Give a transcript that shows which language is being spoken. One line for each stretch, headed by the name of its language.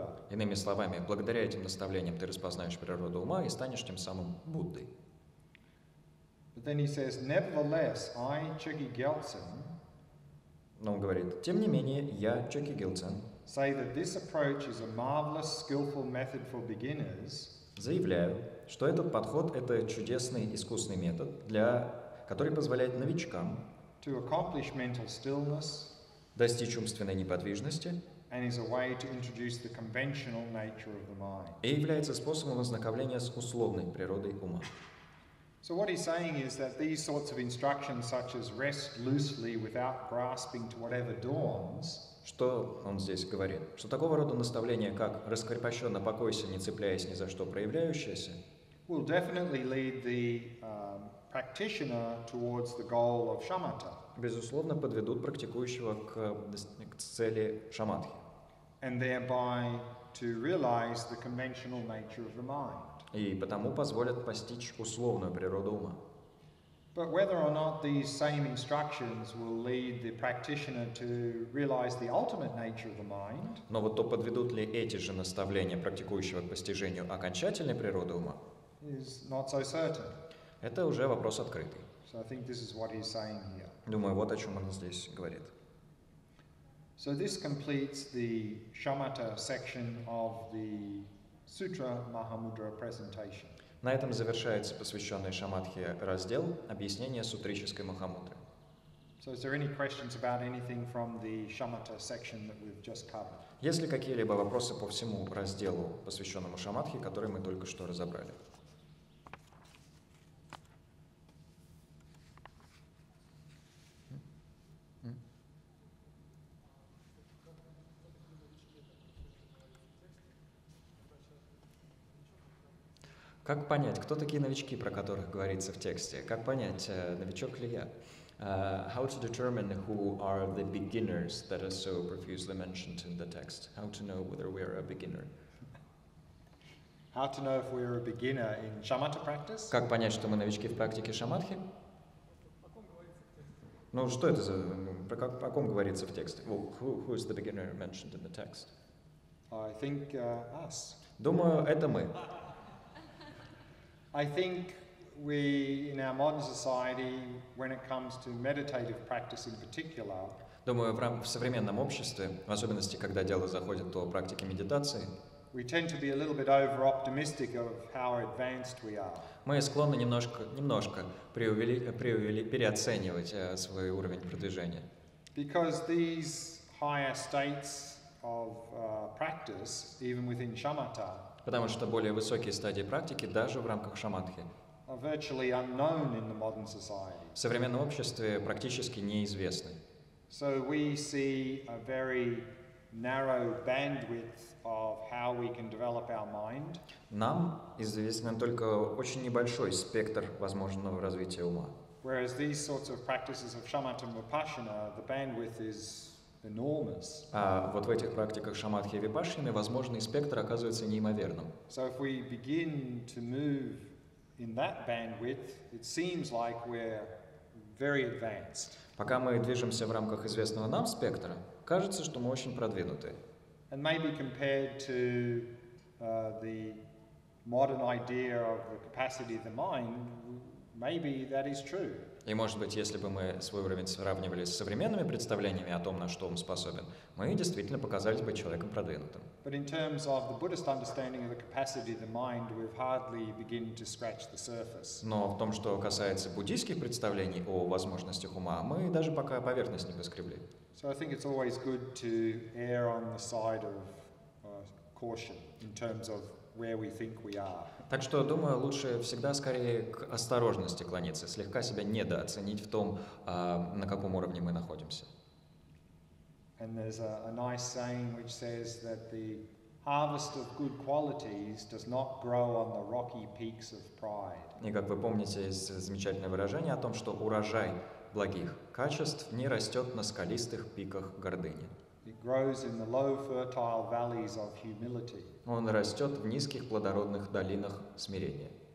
Russian: Иными словами, благодаря этим наставлениям ты распознаешь природу ума и станешь тем самым Буддой.
English: But then he says, nevertheless, I, Чоги Гелдзен.
Russian: Но он говорит, тем не менее, я, Чоги Гелдзен.
English: Say that this approach is a marvelous, skillful method for beginners.
Russian: Заявляю, что этот подход – это чудесный, искусный метод, который позволяет новичкам
English: to accomplish mental stillness,
Russian: достичь умственной неподвижности,
English: and is a way to introduce the conventional nature of the mind.
Russian: И является способом ознакомления с условной природой ума.
English: So what he's saying is that these sorts of instructions, such as rest loosely without grasping to whatever dawns.
Russian: Что он здесь говорит? Что такого рода наставления, как «раскрепощенно покойся, не цепляясь ни за что проявляющееся»,
English: will definitely lead the practitioner towards the goal of shamatha.
Russian: Безусловно, подведут практикующего к цели шамадхи.
English: And thereby to realize the conventional nature of the mind.
Russian: И потому позволят постичь условную природу ума.
English: But whether or not these same instructions will lead the practitioner to realize the ultimate nature of the mind.
Russian: Но вот то подведут ли эти же наставления практикующего к постижению окончательной природы ума?
English: Is not so certain.
Russian: Это уже вопрос открытый.
English: So I think this is what he's saying here.
Russian: Думаю, вот о чем он здесь говорит.
English: So this completes the shamatha section of the Sutra Mahamudra presentation.
Russian: На этом завершается посвященный шамадхе раздел «Объяснение сутрической Махамудры».
English: So is there any questions about anything from the shamatha section that we've just covered?
Russian: Есть ли какие-либо вопросы по всему разделу, посвященному шамадхе, который мы только что разобрали? Как понять, кто такие новички, про которых говорится в тексте? Как понять, новичок ли я?
English: How to determine who are the beginners that are so profusely mentioned in the text? How to know whether we are a beginner? How to know if we are a beginner in shamatha practice?
Russian: Как понять, что мы новички в практике шамадхи? Ну, что это за... Про как, о ком говорится в тексте?
English: Well, who is the beginner mentioned in the text? I think us.
Russian: Думаю, это мы.
English: I think we, in our modern society, when it comes to meditative practice in particular...
Russian: Думаю, в современном обществе, в особенности, когда дело заходит о практике медитации,
English: we tend to be a little bit over-optimistic of how advanced we are.
Russian: Мы склонны немножко переоценивать свой уровень продвижения.
English: Because these higher states of practice, even within shamatha,
Russian: потому что более высокие стадии практики даже в рамках шаматхи
English: are virtually unknown in the modern society.
Russian: В современном обществе практически неизвестны.
English: So we see a very narrow bandwidth of how we can develop our mind.
Russian: Нам известен только очень небольшой спектр возможного развития ума.
English: Whereas these sorts of practices of shamatha and vipassana, the bandwidth is enormous.
Russian: А вот в этих практиках шаматхи и випашины возможный спектр оказывается неимоверным.
English: So if we begin to move in that bandwidth, it seems like we're very advanced.
Russian: Пока мы движемся в рамках известного нам спектра, кажется, что мы очень продвинуты.
English: And maybe compared to the modern idea of the capacity of the mind, maybe that is true.
Russian: И может быть, если бы мы свой уровень сравнивали с современными представлениями о том, на что он способен, мы действительно показались бы человеком продвинутым.
English: But in terms of the Buddhist understanding of the capacity of the mind, we've hardly begun to scratch the surface.
Russian: Но в том, что касается буддийских представлений о возможностях ума, мы даже пока поверхность не поскребли.
English: So I think it's always good to err on the side of caution in terms of where we think we are.
Russian: Так что, думаю, лучше всегда скорее к осторожности клониться, слегка себя недооценить в том, на каком уровне мы находимся.
English: And there's a nice saying which says that the harvest of good qualities does not grow on the rocky peaks of pride.
Russian: И как вы помните, есть замечательное выражение о том, что урожай благих качеств не растет на скалистых пиках гордыни.
English: It grows in the low fertile valleys of humility.
Russian: Он растет в низких плодородных долинах смирения.